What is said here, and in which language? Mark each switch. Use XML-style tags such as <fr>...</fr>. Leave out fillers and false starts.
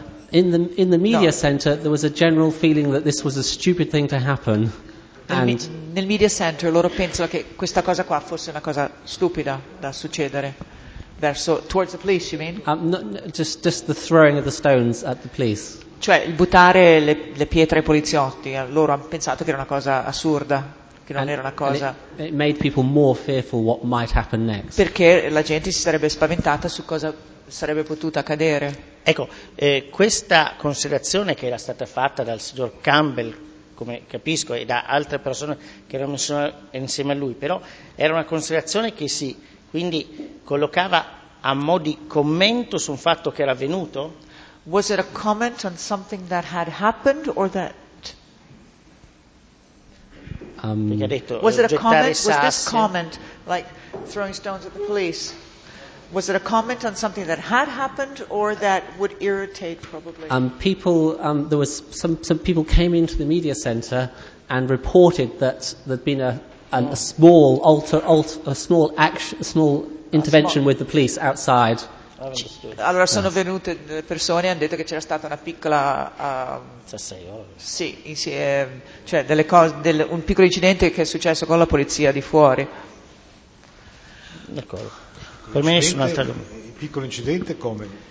<en>In the media center, there was a general feeling that this was a stupid thing to happen.</en> <it>Nel media center loro pensano che questa cosa qua fosse una cosa stupida da succedere verso</it> <en>towards the police, you mean? Just the throwing of the stones at the police.</en> <it>Cioè il buttare le pietre ai poliziotti, loro hanno pensato che era una cosa assurda, che non era una cosa.</it> <en>It made people more fearful what might happen next.</en> <it>Perché la gente si sarebbe spaventata su cosa sarebbe potuta accadere. Ecco, questa considerazione che era stata fatta dal signor Campbell, come capisco, e da altre persone che erano insieme a lui, però era una considerazione che si quindi collocava a mo' di commento su un fatto che era avvenuto?</it> <en>Was it a comment on something that had happened or that</en> <it>ha detto,</it> <en>was it a comment</en> <it>sassi?</it> <en>Was this comment like throwing stones at the police? Was it a comment on something that had happened or that would irritate probably? There was some people came into the media center and reported that there'd been a small intervention with the police outside.</en> <it>Allora sono venute persone e hanno detto che c'era stata una piccola cioè delle cose, un piccolo incidente che è successo con la polizia di fuori. D'accordo. Per me nessun altro. Un piccolo incidente come?</it>